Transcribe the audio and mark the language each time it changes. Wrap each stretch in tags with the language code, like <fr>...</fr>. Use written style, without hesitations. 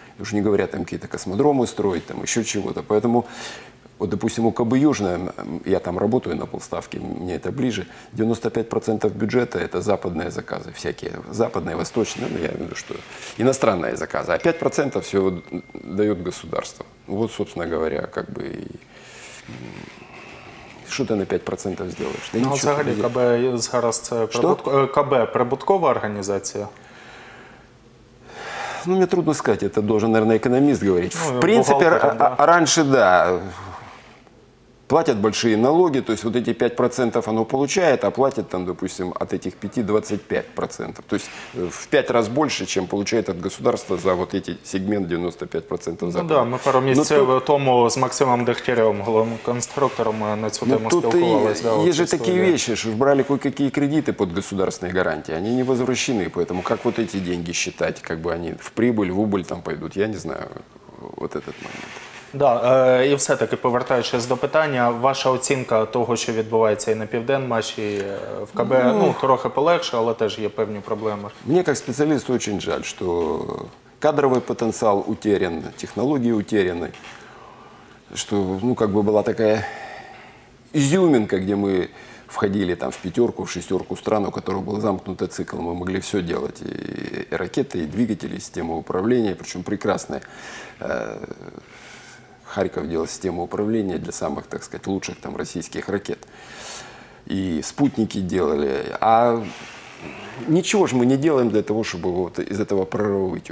<ru>Уж не говоря, там какие-то космодромы строить, там еще чего-то. Поэтому, вот, допустим, у КБ Южная, я там работаю на полставки, мне это ближе, 95% бюджета – это западные заказы всякие. Западные, восточные, ну, я имею в виду, что иностранные заказы. А 5% всего дает государство. Вот, собственно говоря, как бы и... Что ты на 5% сделаешь?</ru> <uk>Да ну, взагалі, КБ зараз це КБ прибуткова організація?</uk> <ru>Ну, мне трудно сказать, это должен, наверное, экономист говорить. Ну, в принципе, да. Раньше, да, платят большие налоги, то есть вот эти 5% оно получает, а платят там, допустим, от этих 5 25%. То есть в 5 раз больше, чем получает от государства за вот эти сегмент 95% западных. Ну да, мы пару месяцев тому с Максимом Дегтяревым, главным конструктором, на эту тему</ru> <uk>спілкувались.</uk> <ru>Да, есть же такие вещи, что брали кое-какие кредиты под государственные гарантии, они не возвращены, поэтому как вот эти деньги считать, как бы они в прибыль, в убыль там пойдут, я не знаю вот этот момент.</ru> <uk>Да, і все-таки, повертаючись до питання, ваша оцінка того, що відбувається і на Південмаші, в КБ, ну, трохи полегше, але теж є певні проблеми. Мені, як спеціалісту, дуже жаль, що кадровий потенціал втрачений, технології втрачені, що, ну, як би була така ізюмінка, де ми входили там</uk> <ru>в пятерку, в шестерку стран, у которых был замкнутый цикл. Мы могли все делать, и ракеты, и двигатели, и системы управления, причем прекрасные. Харьков делал систему управления для самых, так сказать, лучших там российских ракет. И спутники делали. А ничего же мы не делаем для того, чтобы вот из этого прорыва выйти.</ru>